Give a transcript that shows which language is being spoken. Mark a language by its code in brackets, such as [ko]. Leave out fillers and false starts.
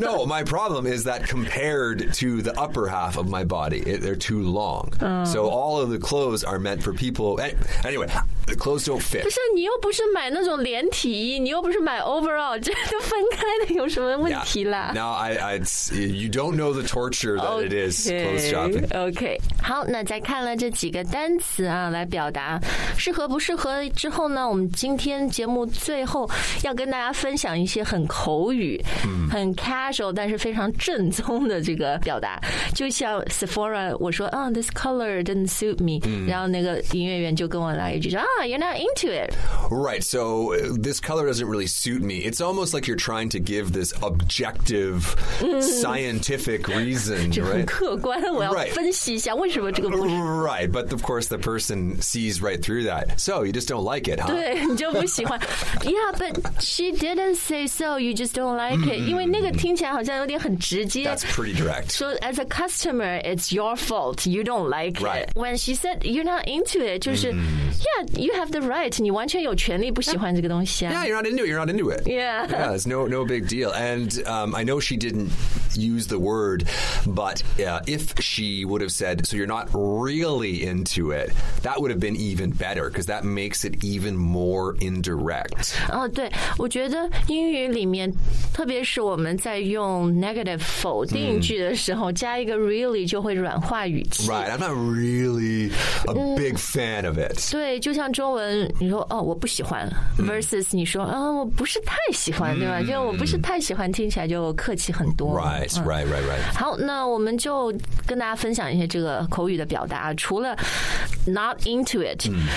[en] No, my problem is that compared to the upper half of my body, they're too long. So all of the clothes are meant for people. Anyway, the clothes don't fit. [zh] 不是，你又不是买那种连体衣，你又不是买 overall， 这都分开的，有什么问题啦 [en] ？No, you don't know the torture that it is clothes shopping. Okay. [zh] 好，那在看了这几个单词啊，来表达适合不适合之后呢，我们今天节目最后要跟大家分享一些很口语、很 casual， 但是非常正宗的这个表达。就像 Sephora， 我说啊、 [en] this color didn't suit me，、 [zh] 然后那个营业员就跟我来一句说。 [en] You're not into it. Right, so this color doesn't really suit me. It's almost like you're trying to give this objective, scientific reason, right? [zh] 就很客观，我要分析一下为什么这个不是。 [en] Right, but of course the person sees right through that. So you just don't like it, huh? [zh] 对，你就不喜欢。 [en] Yeah, but she didn't say so. You just just don't like it. [zh] 因为那个听起来好像有点很直接。 [en] That's pretty direct. So as a customer, it's your fault. You don't like it. When she said you're not into it, [zh] 就是、 [en] mm-hmm. yeah, you have the right. [zh] 你完全有权利不喜欢这个东西啊。 [en] Yeah, you're not into it. You're not into it. Yeah. Yeah, it's no big deal. And、I know she didn't use the word, but、if she would have said, so you're not really into it, that would have been even better because that makes it even more indirect. [zh] Oh, 对，我觉得英语里面，特别是我们在用 negative 否定句的时候，加一个 really 就会软化语气。 [en] Right, I'm not really a big fan of it. [zh] 对，就像中文，你说哦，我不喜欢 ，versus 你说啊、哦，我不是太喜欢，对吧？就我不是太喜欢，听起来就客气很多。 [en] Right. [zh] 好，那我们就跟大家分享一些这个口语的表达，除了 not into it、mm.